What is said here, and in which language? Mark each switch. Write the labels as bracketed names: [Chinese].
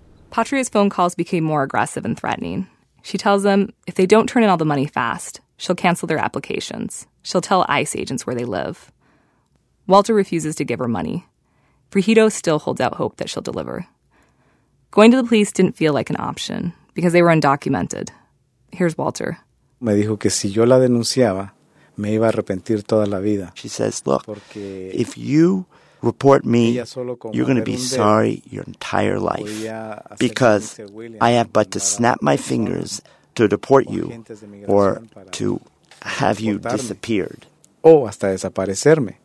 [English] Patria's phone calls became more aggressive and threatening. She tells them if they don't turn in all the money fast, she'll cancel their applications. She'll tell ICE agents where they live. Walter refuses to give her money. Brigido still holds out hope that she'll deliver. Going to the police didn't feel like an option because they were undocumented. Here's Walter. [Spanish] Me dijo que si yo la denunciaba, me iba a arrepentir toda la vida. [English] She says, look, if you report me, you're going to be sorry your entire life because I have but to snap my fingers to deport you or to have you disappeared. [Spanish] O hasta desaparecerme.